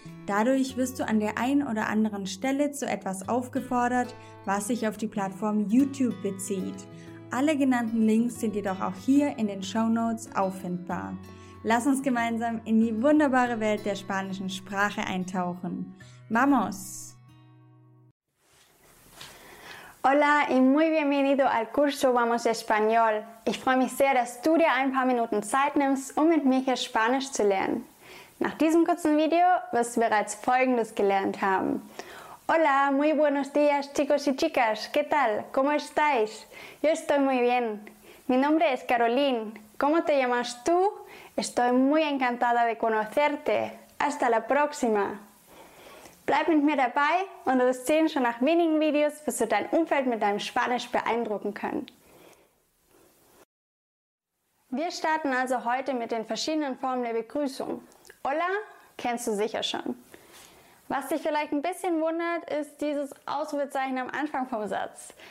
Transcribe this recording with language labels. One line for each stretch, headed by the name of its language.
German: Dadurch wirst du an der einen oder anderen Stelle zu etwas aufgefordert, was sich auf die Plattform YouTube bezieht. Alle genannten Links sind jedoch auch hier in den Shownotes auffindbar. Lass uns gemeinsam in die wunderbare Welt der spanischen Sprache eintauchen.
Spanish: ¡Vamos! Hola y muy bienvenido al curso Vamos Español.
German: Ich freue mich sehr, dass du dir ein paar Minuten Zeit nimmst, um mit mir hier Spanisch zu lernen. Nach diesem kurzen Video wirst du bereits Folgendes gelernt haben.
Spanish: Hola, muy buenos días, chicos y chicas. ¿Qué tal? ¿Cómo estáis? Yo estoy muy bien. Mi nombre es Caroline. ¿Cómo te llamas tú? Estoy muy encantada de conocerte. Hasta la próxima.
German: Bleib mit mir dabei und du siehst schon nach wenigen Videos, wirst du dein Umfeld mit deinem Spanisch beeindrucken können. Wir starten also heute mit den verschiedenen Formen der Begrüßung. Hola, kennst du sicher schon. Was dich vielleicht ein bisschen wundert, ist dieses Ausrufezeichen am Anfang vom Satz.